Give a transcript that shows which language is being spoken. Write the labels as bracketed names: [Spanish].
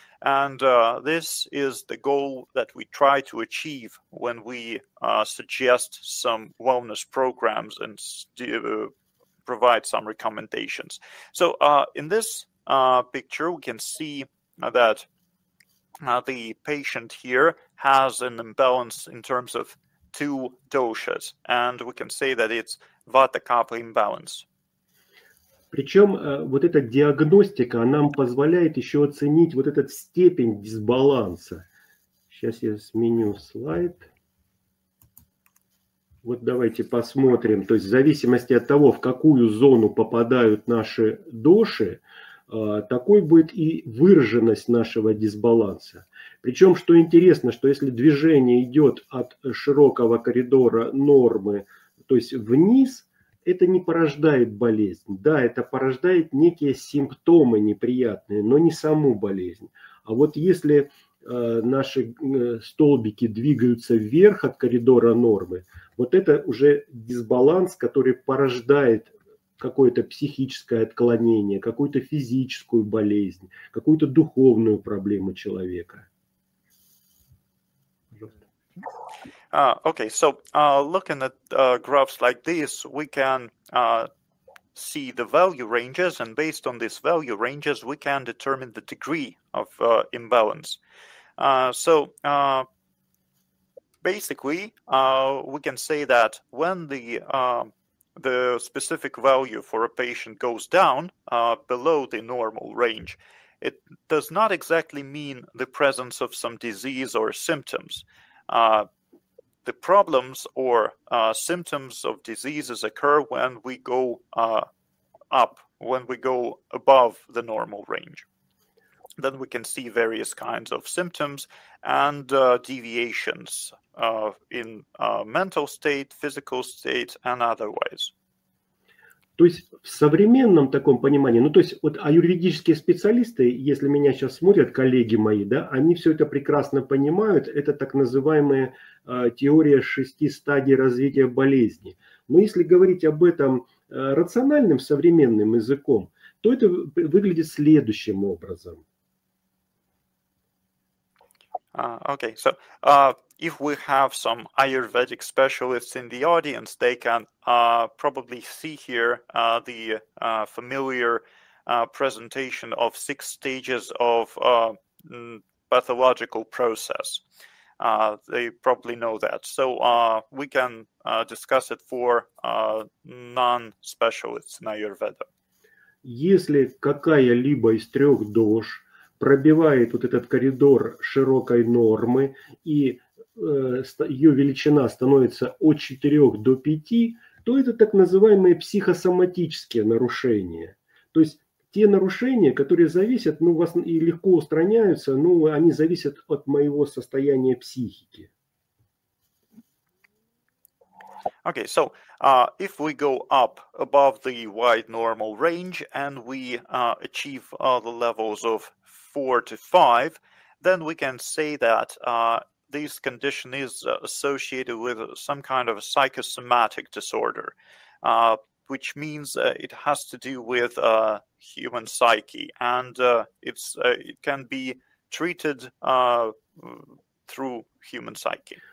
[English] And this is the goal that we try to achieve when we suggest some wellness programs and provide some recommendations. So in this picture, we can see that the patient here has an imbalance in terms of two doshas. And we can say that it's vata-kapha imbalance. [Russian] Причем вот эта диагностика нам позволяет еще оценить вот этот степень дисбаланса. Сейчас я сменю слайд. Вот давайте посмотрим. То есть в зависимости от того, в какую зону попадают наши доши, такой будет и выраженность нашего дисбаланса. Причем, что интересно, что если движение идет от широкого коридора нормы, то есть вниз, это не порождает болезнь. Да, это порождает некие симптомы неприятные, но не саму болезнь. А вот если наши столбики двигаются вверх от коридора нормы, вот это уже дисбаланс, который порождает какое-то психическое отклонение, какую-то физическую болезнь, какую-то духовную проблему человека. [English] Okay, so looking at graphs like this, we can see the value ranges, and based on these value ranges, we can determine the degree of imbalance. So basically, we can say that when the specific value for a patient goes down below the normal range, it does not exactly mean the presence of some disease or symptoms. The problems or symptoms of diseases occur when we go up, when we go above the normal range. Then we can see various kinds of symptoms and deviations in mental state, physical state, and otherwise. [Russian] То есть в современном таком понимании, ну то есть вот аюрведические специалисты, если меня сейчас смотрят, коллеги мои, да, они все это прекрасно понимают, это так называемая теория шести стадий развития болезни. Но если говорить об этом рациональным современным языком, то это выглядит следующим образом. [English] Okay, so if we have some Ayurvedic specialists in the audience, they can probably see here the familiar presentation of six stages of pathological process. They probably know that. So we can discuss it for non-specialists in Ayurveda. [Russian] Если какая-либо из трех дош пробивает вот этот коридор широкой нормы, и ее величина становится от 4 до 5, то это так называемые психосоматические нарушения. То есть те нарушения, которые зависят, ну, и легко устраняются, но они зависят от моего состояния психики. [English] Okay, so if we go up above the wide normal range and we achieve the levels of 4 to 5, then we can say that this condition is associated with some kind of a psychosomatic disorder, which means it has to do with human psyche, and it can be treated through human psyche.